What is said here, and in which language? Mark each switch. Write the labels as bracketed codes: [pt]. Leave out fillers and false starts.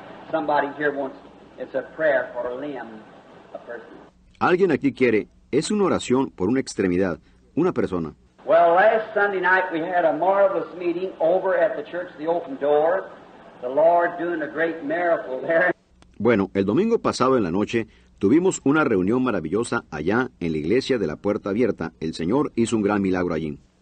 [en] Somebody here wants, it's a prayer for a limb, a person. [es] Alguien aquí quiere, es una oración por una extremidad, una persona. [en] Well, last Sunday night we had a marvelous meeting over at the church, the open door, the Lord doing a great miracle there. [es] Bueno, el domingo pasado en la noche tuvimos una reunión maravillosa allá en la iglesia de la puerta abierta. El Señor hizo un gran milagro allí.